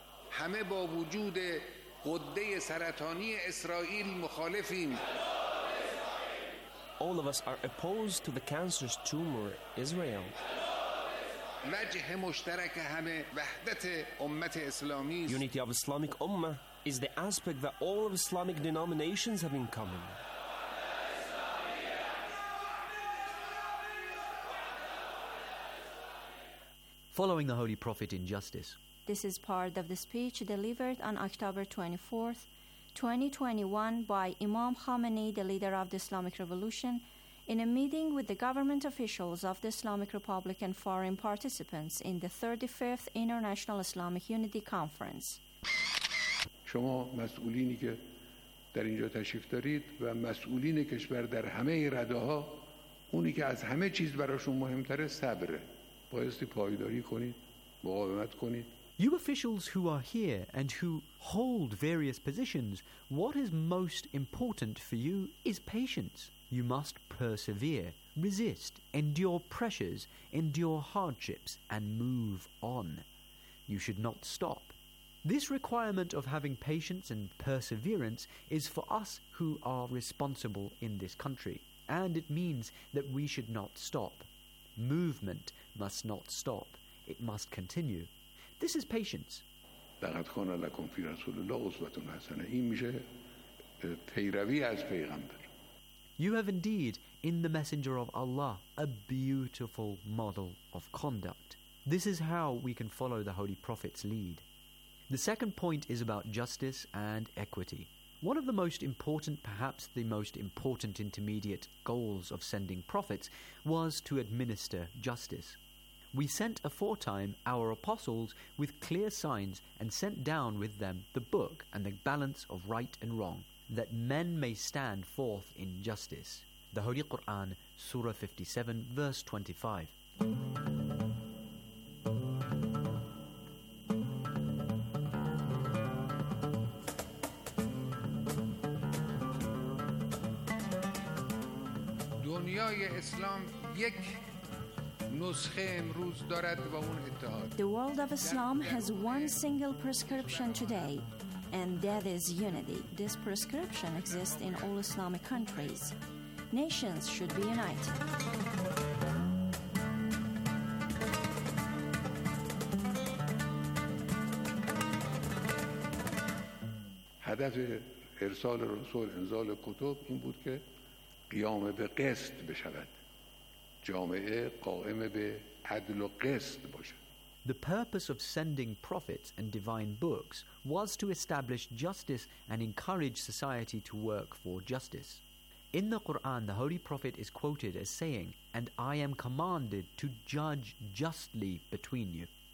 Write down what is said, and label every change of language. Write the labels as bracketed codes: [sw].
[fa] همه با وجود قده سرطانی اسرائیل مخالفیم. [en] All of us are opposed to the cancerous tumor Israel. [fa] وجه مشترک همه وحدت امت اسلامی. [en] Unity of Islamic Ummah is the aspect that all of Islamic denominations have in common. Following the Holy Prophet in justice. This is part of the speech delivered on October 24th, 2021 by Imam Khamenei, the leader of the Islamic Revolution, in a meeting with the government officials of the Islamic Republic and foreign participants in the 35th International Islamic Unity Conference. [fa] شما مسئولینی که در اینجا تشریف دارید و مسئولین کشور در همه رده‌ها اونی که از همه چیز براشون مهمتره صبره. بایستی پایداری کنید، مقاومت کنید. [en] You officials who are here and who hold various positions, what is most important for you is patience. You must persevere, resist, endure pressures, endure hardships, and move on. You should not stop. This requirement of having patience and perseverance is for us who are responsible in this country, and it means that we should not stop. Movement must not stop. It must continue. This is patience. [fa] دقت کن [ar] لکن فی رسول الله اسوتون حسنه. [fa] این میشه پیروی از پیغمبر. [en] You have indeed, in the Messenger of Allah, a beautiful model of conduct. This is how we can follow the Holy Prophet's lead. The second point is about justice and equity. One of the most important, perhaps the most important intermediate goals of sending prophets, was to administer justice. We sent aforetime our apostles with clear signs and sent down with them the book and the balance of right and wrong, that men may stand forth in justice. The Holy Quran, Surah 57, verse 25. [fa] دنیای اسلام یک نسخه امروز دارد و اون اتحاد. [en] The world of Islam has one single prescription today, and that is unity. This prescription exists in all Islamic countries. Nations should be united. [fa] هدف ارسال رسول انزال کتب این بود که قیام به قسط بشود، جامعه قائم به عدل و قسط باشد. [en] The purpose of sending prophets and divine books was to establish justice and encourage society to work for justice. In the Quran, the Holy Prophet is quoted as saying, "And I am commanded to judge justly between you."